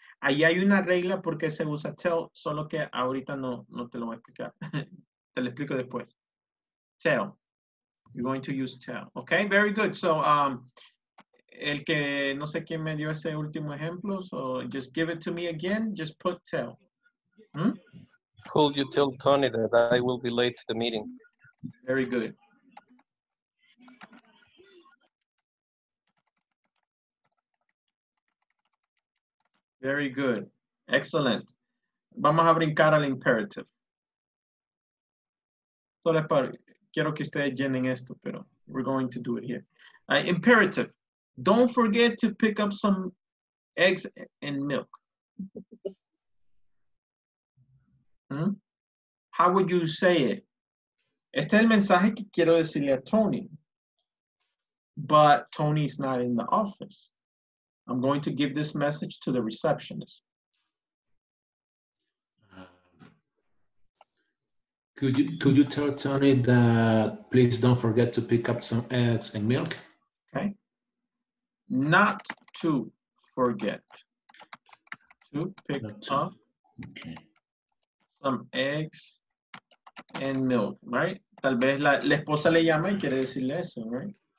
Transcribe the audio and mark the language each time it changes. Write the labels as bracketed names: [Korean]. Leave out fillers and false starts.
[Spanish] Ahí hay una regla porque se usa tell, solo que ahorita no te lo voy a explicar. Te lo explico después. [English] Tell. You're going to use tell. Okay, very good. [Spanish] So, el que no sé quién me dio ese último ejemplo, [English] so just give it to me again. Just put tell. Hmm? Could you tell Tony that I will be late to the meeting? Very good. Very good. Excellent. [Spanish] Vamos a brincar al imperative. Solo para. Quiero que ustedes llenen esto, pero [English] we're going to do it here. [Spanish] Imperative. [English] Don't forget to pick up some eggs and milk. Hmm? How would you say it? [Spanish] Este es el mensaje que quiero decirle a Tony. [English] But Tony is not in the office. I'm going to give this message to the receptionist. Could you tell Tony that please don't forget to pick up some eggs and milk? Okay. Not to forget to pick up some eggs and milk, right? [Spanish] Tal vez la esposa le llama y quiere decirle eso, right?